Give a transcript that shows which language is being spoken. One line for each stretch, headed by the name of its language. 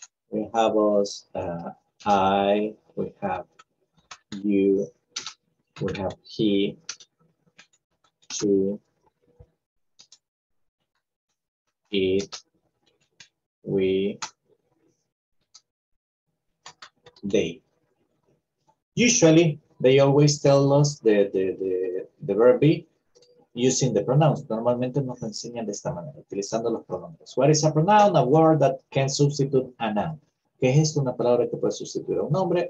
English: We have us I, we have you, we have he, she, it, we, they. Usually, they always tell us the verb be using the pronouns.
Spanish: Normalmente nos enseñan de esta manera, utilizando los pronombres.
English: What is a pronoun? A word that can substitute a noun.
Spanish: ¿Qué es esto? Una palabra que puede sustituir a un nombre.